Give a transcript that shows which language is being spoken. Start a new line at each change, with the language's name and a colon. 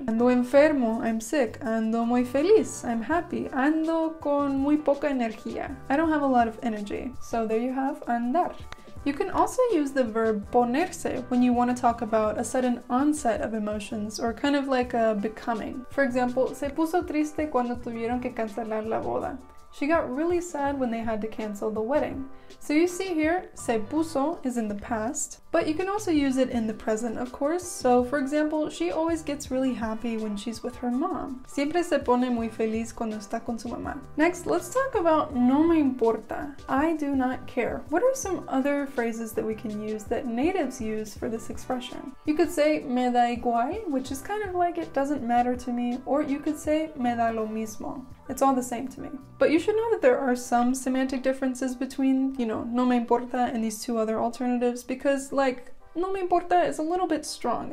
Spanish: Ando enfermo,
English: I'm sick.
Spanish: Ando muy feliz,
English: I'm happy.
Spanish: Ando con muy poca energía,
English: I don't have a lot of energy. So there you have andar. You can also use the verb ponerse when you want to talk about a sudden onset of emotions or kind of like a becoming. For example,
Spanish: se puso triste cuando tuvieron que cancelar la boda.
English: She got really sad when they had to cancel the wedding. So you see here, se puso is in the past, but you can also use it in the present, of course. So for example, she always gets really happy when she's with her mom.
Spanish: Siempre se pone muy feliz cuando está con su mamá.
English: Next, let's talk about
Spanish: no me importa.
English: I do not care. What are some other phrases that we can use that natives use for this expression? You could say
Spanish: me da igual,
English: which is kind of like it doesn't matter to me, or you could say
Spanish: me da lo mismo.
English: It's all the same to me. But you should know that there are some semantic differences between, you know,
Spanish: no me importa
English: and these two other alternatives because, like, no me importa is a little bit strong.